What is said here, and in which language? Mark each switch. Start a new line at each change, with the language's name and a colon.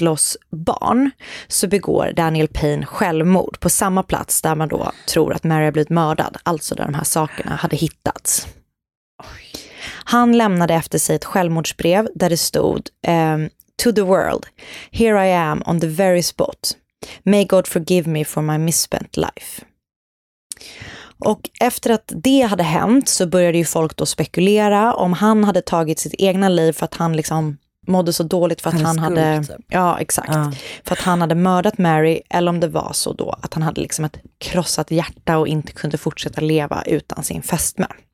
Swedish: Loss barn så begår Daniel Payne självmord på samma plats där man då tror att Mary har blivit mördad, alltså där de här sakerna hade hittats. Han lämnade efter sig ett självmordsbrev där det stod
English: "To the world, here I am on the very spot. May God forgive me for my misspent life."
Swedish: Och efter att det hade hänt så började ju folk då spekulera om han hade tagit sitt egna liv för att han liksom mådde så dåligt för att han hade skuld. Ja, exakt. Ja. För att han hade mördat Mary, eller om det var så då att han hade liksom ett krossat hjärta och inte kunde fortsätta leva utan sin fästmö.